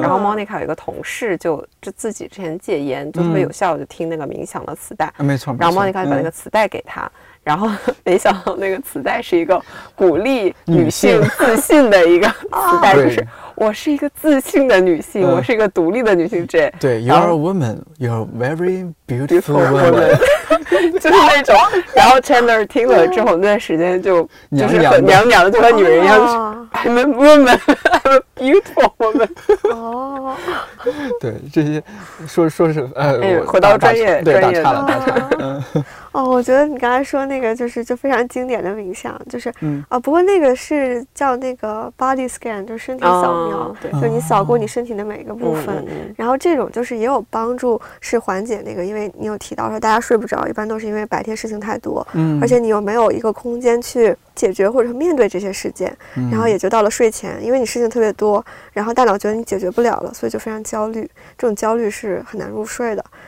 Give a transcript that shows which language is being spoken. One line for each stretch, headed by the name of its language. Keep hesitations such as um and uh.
Chinese: 然后莫妮卡有一个同事就。是自己之前戒烟就特别有效，我就听那个冥想的磁带，嗯啊、没错。没错然后猫你开就把那个磁带给他。嗯然后没想到那个磁带是一个鼓励女性自信的一个磁带，就是我是一个自信的女性，我是一个独立的女性。 J
English: 对，You are a woman, you are very beautiful woman，
Chinese: 就是那种。然后 Chandler 听了之后，那段时间就就是娘娘的，就跟女人一样。
English: I'm a woman, I'm a beautiful woman。
Chinese: 哦，对这些说说是呃，回到专业专业了。哦，我觉得你刚才说那个就是就非常经典的冥想，就是，嗯、啊，不过那个是叫那个 body scan，就是身体扫描，就你扫过你身体的每一个部分，嗯、然后这种就是也有帮助，是缓解那个，因为你有提到说大家睡不着，一般都是因为白天事情太多，嗯、而且你又没有一个空间去解决或者面对这些事件，然后也就到了睡前，因为你事情特别多，然后大脑觉得你解决不了了，所以就非常焦虑，这种焦虑是很难入睡的。